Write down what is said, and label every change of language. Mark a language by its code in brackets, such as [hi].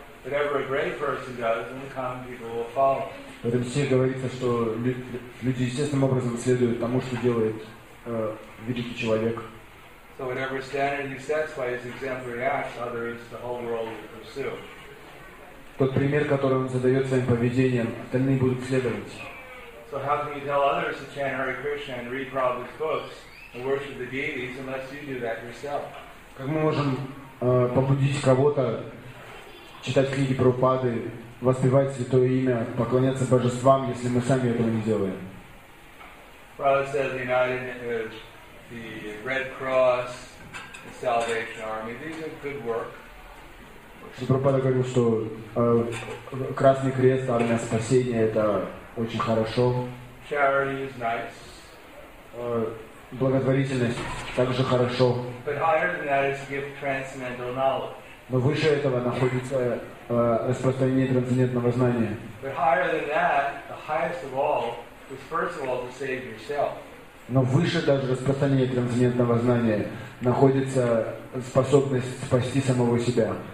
[en] Whatever a great person does, then the common people will follow. [ru] В этом стихе говорится, что люди естественным образом следуют тому, что делает великий человек. [en] So whatever standard he sets by his exemplary acts, others the whole world will pursue. [ru] Тот пример, который он задает своим поведением, остальные будут следовать. [en] So how can you tell others to chant Hare Krishna and read Prabhupada's books and worship the deities unless you do that yourself? [ru] Как мы можем побудить кого-то читать книги Прабхупады, воспевать святое имя, поклоняться божествам, если мы сами этого не делаем? [en] Prabhupada says the United, the Red Cross, the Salvation Army, these are good work. [ru] Прабхупада говорил, что Красный Крест, Армия Спасения, это очень хорошо. [en] Charity is nice. [ru] Благотворительность также хорошо. [en] But higher than that is to give transcendental knowledge. [ru] Но выше этого находится распространение трансцендентного знания. [en] But higher than that, the highest of all, is first of all to save yourself. [ru] Но выше даже распространения трансцендентного знания находится способность спасти самого себя.